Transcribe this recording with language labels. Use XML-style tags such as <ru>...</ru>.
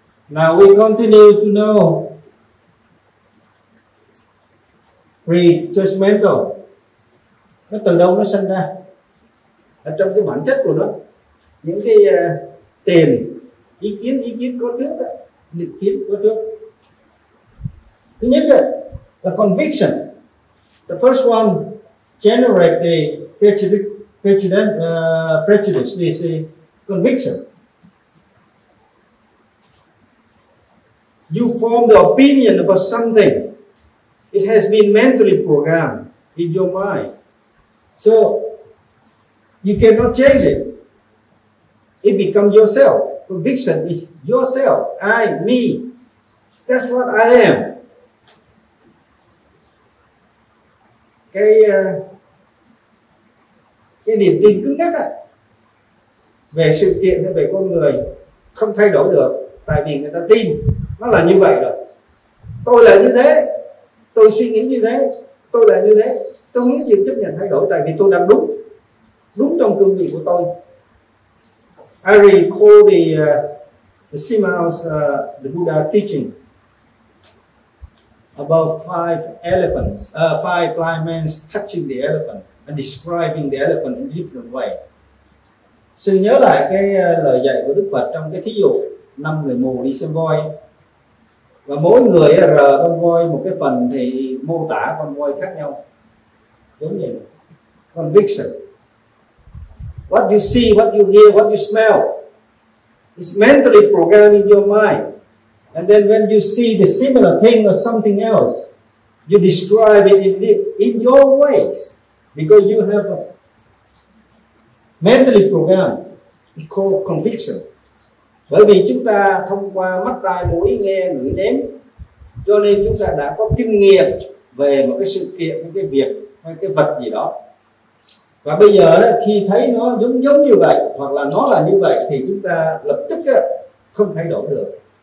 <en>Now we continue to know prejudgmental,</en> <vi>nó từ đâu nó sinh ra, ở trong cái bản chất của nó, những cái tiền ý kiến có trước đó, định kiến có trước. Thứ nhất là conviction.</vi> <en>The first one generate the prejudice is a conviction. You form the opinion about something. It has been mentally programmed in your mind. So you cannot change it. It becomes yourself. conviction is yourself, I, me. That's what I am.</en> <vi>Cái niềm tin cứng nhắc về sự kiện hay về con người không thay đổi được, tại vì người ta tin nó là như vậy rồi. Tôi là như thế, tôi suy nghĩ như thế, tôi là như thế, tôi nghĩ gì chấp nhận thay đổi tại vì tôi đang đúng, đúng trong cương vị của tôi.</vi> <en>I recall the Sima's the Buddha teaching about five blind men touching the elephant and describing the elephant in a different way.</en> <vi>Sư nhớ lại cái lời dạy của Đức Phật trong cái thí dụ năm người mù đi xem voi, và mỗi người rờ con voi một cái phần thì mô tả con voi khác nhau. Đúng vậy, conviction.</vi> <en>What you see, what you hear, what you smell is mentally programmed in your mind. And then when you see the similar thing or something else, you describe it in your ways because you have a mentally programmed. It's called conviction.</en> <vi>Bởi vì chúng ta thông qua mắt, tai, mũi, nghe, ngửi, nếm, cho nên chúng ta đã có kinh nghiệm về một cái sự kiện, một cái việc hay cái vật gì đó. Và bây giờ khi thấy nó giống giống như vậy hoặc là nó là như vậy thì chúng ta lập tức không thay đổi được.</vi>